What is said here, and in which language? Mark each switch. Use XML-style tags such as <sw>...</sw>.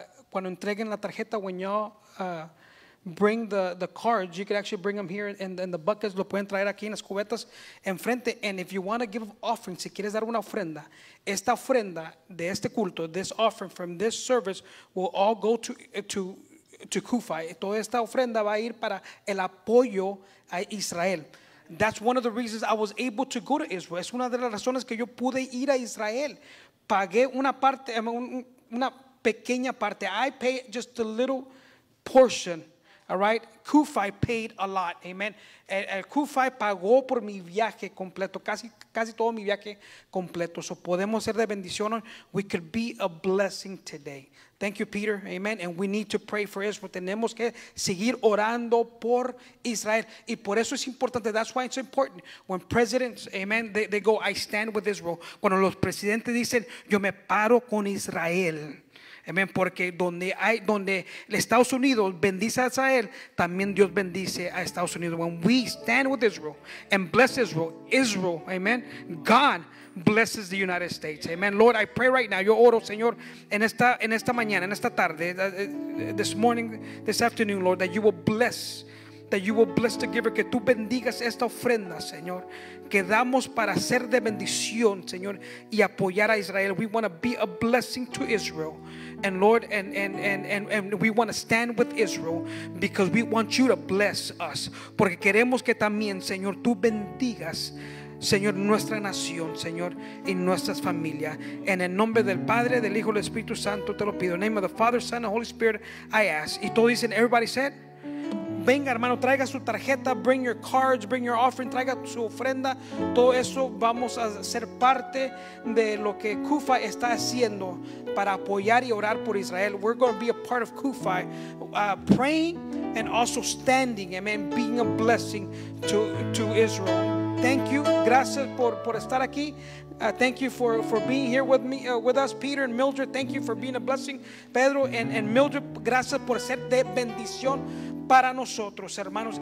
<es>Cuando entreguen la tarjeta,</es> <en>when y'all bring the cards, you can actually bring them here in the buckets.</en> <es>Lo pueden traer aquí en las cubetas enfrente.</es> <en>And if you want to give offering,</en> <es>si quieres dar una ofrenda, esta ofrenda de este culto,</es> <en>this offering from this service will all go to Kufa.</en> <es>Toda esta ofrenda va a ir para el apoyo a Israel.</es> <en>That's one of the reasons I was able to go to Israel.</en> <es>Es una de las razones que yo pude ir a Israel. Pagué una parte, una pequeña parte.</es> <en>I paid just a little portion. All right, Kufai paid a lot. Amen.</en> <es>El Kufai pagó por mi viaje completo, casi todo mi viaje completo.</es> <en>So</en> <es>podemos ser de bendición.</es> <en>We could be a blessing today. Thank you, Peter. Amen. And we need to pray for Israel.</en> <es>Tenemos que seguir orando por Israel. Y por eso es importante.</es> <en>That's why it's important. When presidents, amen, they go, I stand with Israel.</en> <es>Cuando los presidentes dicen, yo me paro con Israel. Amen. Porque donde Estados Unidos bendice a Israel, también Dios bendice a Estados Unidos.</es> <en>When we stand with Israel and bless Israel, Israel, amen, God blesses the United States. Amen. Lord, I pray right now.</en> <es>Yo oro, Señor, en esta mañana, en esta tarde,</es> <en>this morning, this afternoon, Lord, that you will bless the giver.</en> <es>Que tú bendigas esta ofrenda, Señor. Que damos para ser de bendición, Señor, y apoyar a Israel.</es> <en>We want to be a blessing to Israel. And Lord, and we want to stand with Israel because we want you to bless us.</en> <es>Porque queremos que también, Señor, tú bendigas, Señor, nuestra nación, Señor, y nuestras familias. En el nombre del Padre, del Hijo y del Espíritu Santo te lo pido.</es> <en>In the name of the Father, Son, and Holy Spirit, I ask.</en> <es>Y todos dicen,</es> <en>everybody said,</en> <es>venga hermano, traiga su tarjeta,</es> <en>bring your cards, bring your offering,</en> <es>traiga su ofrenda. Todo eso vamos a ser parte de lo que Kufai está haciendo para apoyar y orar por Israel.</es> <en>We're going to be a part of Kufai, praying and also standing, amen, being a blessing to Israel. Thank you,</en> <es>gracias por estar aquí.</es> <en>Thank you for being here with me, with us, Peter and Mildred. Thank you for being a blessing, Pedro and Mildred.</en> <es>Gracias por ser de bendición para nosotros, hermanos.</es>